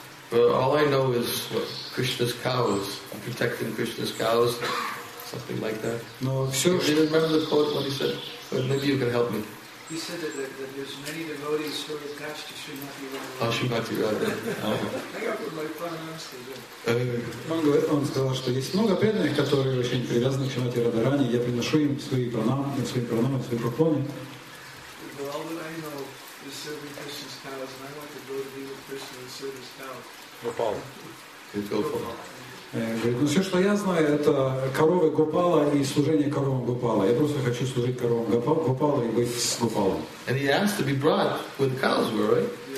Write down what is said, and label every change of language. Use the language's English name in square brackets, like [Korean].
[English] But all I know is Krishna's cows, protecting Krishna's cows, something like that. No, do you remember the quote what he said? But maybe you can help me. He said that there's many devotees who are attached to Srimati Radharani. Oh, Srimati Radharani. I got my pranams. [Russian] Он сказал, что есть много преданных, которые очень привязаны к Srimati Radharani. Я приношу им свои пранамы, свои поклоны. [English] But all that I know is serving Krishna's cows, and I want to go to be with Krishna and serve his cows. [Russian] Говорит, ну все, что я знаю, это коровы Гопала и служение коровам Гопала. Я просто хочу служить коровам Гопала и быть с Гопалом. [English] And he asked to be brought with cows, right?